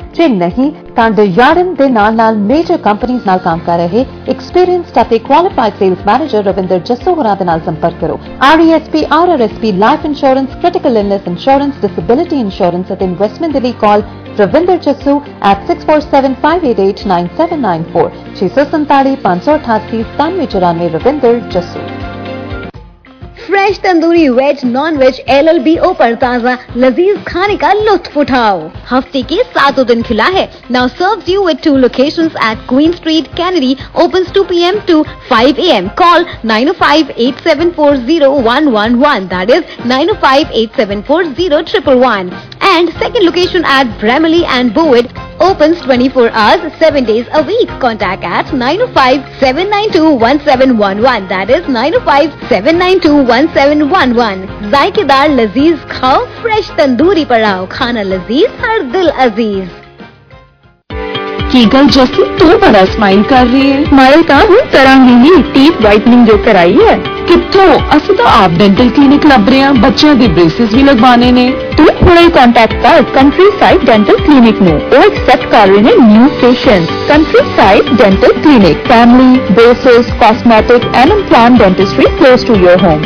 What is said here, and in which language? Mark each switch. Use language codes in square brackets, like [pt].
[pa] ਜੇ ਨਹੀਂ ਤਾਂ ਡਿਆਰਐਨ ਦੇ ਨਾਲ ਨਾਲ ਮੇਜਰ ਕੰਪਨੀਜ਼ ਨਾਲ ਕੰਮ ਕਰ ਰਹੇ ਐਕਸਪੀਰੀਅੰਸਡ ਅਤੇ qualified sales manager Ravinder Jasso ਹੋਰਾਂ ਦੇ ਨਾਲ ਸੰਪਰਕ ਕਰੋ। [en] RESP, RRSP, life insurance, critical illness insurance, disability insurance ਅਤੇ investment ਦੇ ਲਈ call Ravinder Jassu at 647-588-9794, 647-588-9794। [pa] Ravinder Jassu. [hi] Fresh tandoori veg, non veg, LLBO पर ताज़ा लजीज खाने का लुत्फ उठाओ। हफ्ते के 7 दिन खुला है। [en] Now serves you with 2 locations at Queen Street Canary, opens 2 PM to 5 AM। Call 9058740111, that is 9058740111। And second location at Bramley and Bovaird, opens 24 hours, 7 days a week. Contact at 9057921711, that is 9057921711। [hi] जायकेदार लजीज खाओ, फ्रेश तंदूरी पर आओ, खाना लजीज, हर दिल अजीज। [pa] की गल जसू, तू बड़ा स्माइल कर रही है। मारे का हूँ तरह ही टीथ वाइटनिंग जो कराई है। ਕਿੱਥੋਂ, ਅਸੀਂ ਤਾਂ ਆਪ ਡੈਂਟਲ ਕਲੀਨਿਕ ਲੱਭ ਰਹੇ ਹਾਂ, ਬੱਚਿਆਂ ਦੇ ਬ੍ਰੇਸਿਸ ਵੀ ਲਗਵਾਣੇ ਨੇ। ਤੂੰ ਹੁਣੇ ਹੀ ਕੰਟੈਕਟ ਕਰ ਕੰਟਰੀ ਸਾਈਡ ਡੈਂਟਲ ਕਲੀਨਿਕ ਨੂੰ, ਉਹ ਐਕਸੈਪਟ ਕਰ ਰਹੇ ਨੇ new patient. [en] Countryside dental clinic, family, braces, cosmetic and implant dentistry close to your home.